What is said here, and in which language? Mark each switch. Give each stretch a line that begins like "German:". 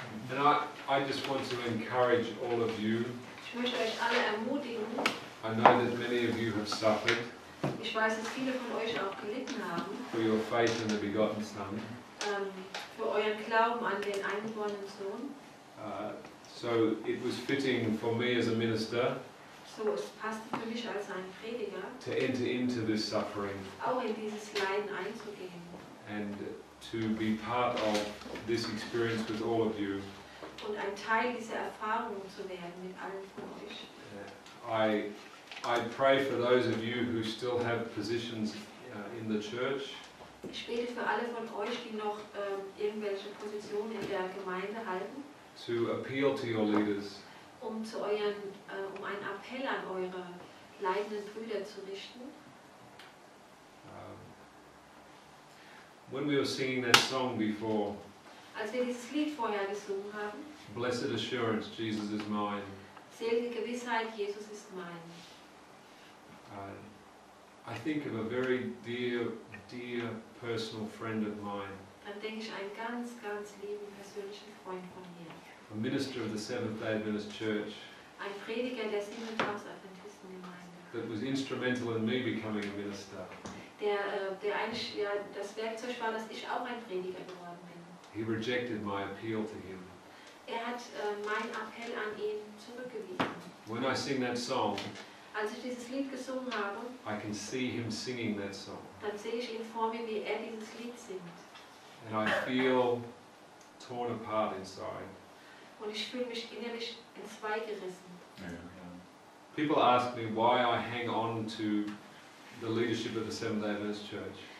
English: And I just want to encourage all of you.
German: Ich möchte euch alle ermutigen.
English: I know that many of you have suffered.
German: Ich weiß, dass viele von euch auch gelitten haben.
English: For your faith in the begotten Son.
German: Für euren Glauben an den eingeborenen Sohn.
English: So it was fitting for me as a minister.
German: So es passte für mich als ein Prediger.
English: To enter into this suffering.
German: Auch in dieses Leiden einzugehen.
English: And to be part of this experience with all of you.
German: Und ein Teil dieser Erfahrung zu werden mit allen von euch.
English: I pray for those of you who still have positions in the church.
German: Ich bete für alle von euch, die noch irgendwelche Positionen in der Gemeinde halten.
English: To appeal to your leaders.
German: Um zu euren um einen Appell an eure leidenden Brüder zu richten.
English: When we were singing that song before.
German: Als wir dieses Lied vorher gesungen haben.
English: Blessed assurance, Jesus is mine.
German: Selige Gewissheit, Jesus ist mein.
English: I think of a very dear, dear personal friend of mine.
German: Dann denke ich einen ganz, ganz lieben persönlichen Freund von mir.
English: A minister of the Seventh-day Adventist Church.
German: Ein Prediger der Siebentagsadventistengemeinde.
English: That was instrumental in me becoming a minister.
German: Der eigentlich ja das Werkzeug war, dass ich auch ein Prediger geworden bin.
English: He rejected my appeal to him.
German: Er hat meinen Appell an ihn zurückgewiesen.
English: When I sing that song,
German: als ich dieses Lied gesungen habe,
English: I can see him singing that song.
German: Dann sehe ich ihn vor mir, wie er dieses Lied singt.
English: And I feel torn apart inside.
German: Und ich fühle mich innerlich in zwei gerissen.
English: Yeah. People ask me why I hang on to the leadership of the Seventh-day Adventist Church.